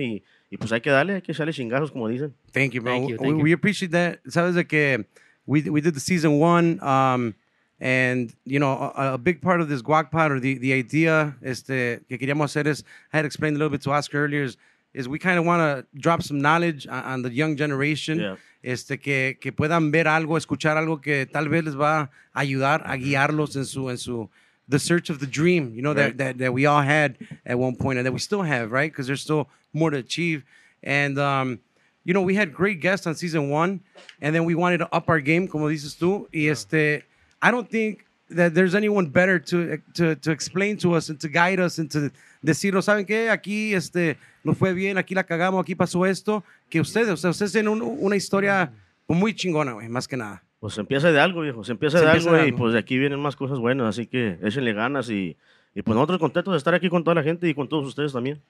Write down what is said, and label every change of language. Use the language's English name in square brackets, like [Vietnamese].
[Spanish] Y pues hay que darle chingazos, como dicen. [English] Thank you, bro. Thank you. We appreciate that. [Spanish] Sabes de que [English] we did the season one... And, you know, a big part of this guacpot or the idea [Spanish] que queríamos hacer [English] is, I had explained a little bit to Oscar earlier, is we kind of want to drop some knowledge on the young generation. Yeah. [Spanish] Que puedan ver algo, escuchar algo que tal vez les va a ayudar a guiarlos en su [English] the search of the dream, you know, right. that we all had at one point and that we still have, right? Because there's still more to achieve. And, you know, we had great guests on season one and then we wanted to up our game, [Spanish] como dices tú, [English] I don't think that there's anyone better to explain to us and to guide us and to [Spanish] decir, ¿saben qué? Aquí no fue bien, aquí la cagamos, aquí pasó esto, que ustedes, o sea, ustedes tienen una historia muy chingona, güey, más que nada. Pues empieza de algo, viejo, se empieza de algo. Y pues de aquí vienen más cosas buenas, así que échenle ganas y pues nosotros contentos de estar aquí con toda la gente y con todos ustedes también.